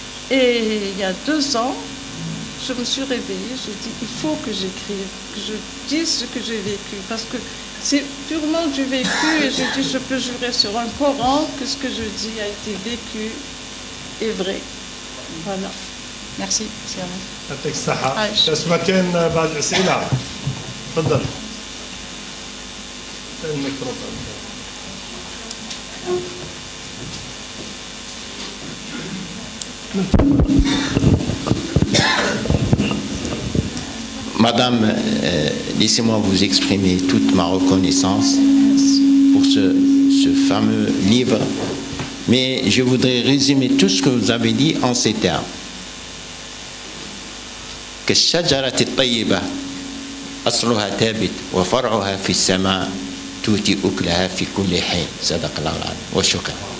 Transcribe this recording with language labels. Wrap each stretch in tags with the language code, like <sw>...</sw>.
<fr>Et il y a 2 ans, je me suis réveillée, j'ai dit, il faut que j'écrive, que je dise ce que j'ai vécu, parce que c'est purement du vécu, et j'ai dit, je peux jurer sur un Coran que ce que je dis a été vécu et vrai. Voilà. Merci, c'est vrai.</fr> <ar>يعطيك الصحة. بس ما كان بعد الأسئلة تفضل.</ar> <fr>Madame, laissez-moi vous exprimer toute ma reconnaissance pour ce fameux livre. Mais je voudrais résumer tout ce que vous avez dit en ces termes.</fr> <ar>كالشجرة الطيبة أصلها ثابت وفرعها في السماء تؤتي أكلها في كل حين صدق الله العظيم وشكرا</ar>